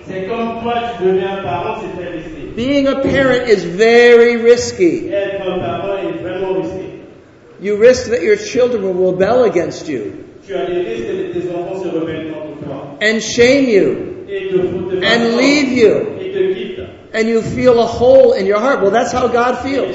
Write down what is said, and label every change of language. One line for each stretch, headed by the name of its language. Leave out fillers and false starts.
French: C'est comme toi, tu deviens parent, c'est très risqué.
English: Being a parent is very risky.
French: Être un parent est vraiment risqué.
English: You risk that your children will rebel against you.
French: Tu as des risques que tes enfants se rebellent contre toi.
English: And shame you.
French: Et te foutre de
English: and leave you.
French: Et te quitte.
English: And you feel a hole in your heart. Well, that's how God feels.